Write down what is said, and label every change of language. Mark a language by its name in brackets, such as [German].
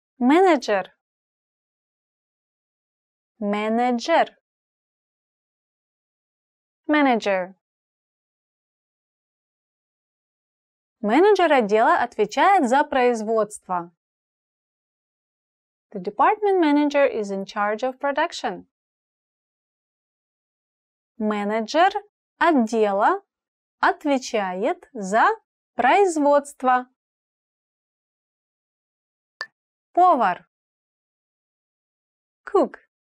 [Russian] Менеджер. Менеджер. Менеджер. Менеджер отдела отвечает за производство. [English] The department manager is in charge of production. [Russian] Менеджер отдела отвечает за производство. Повар. [English] Cook.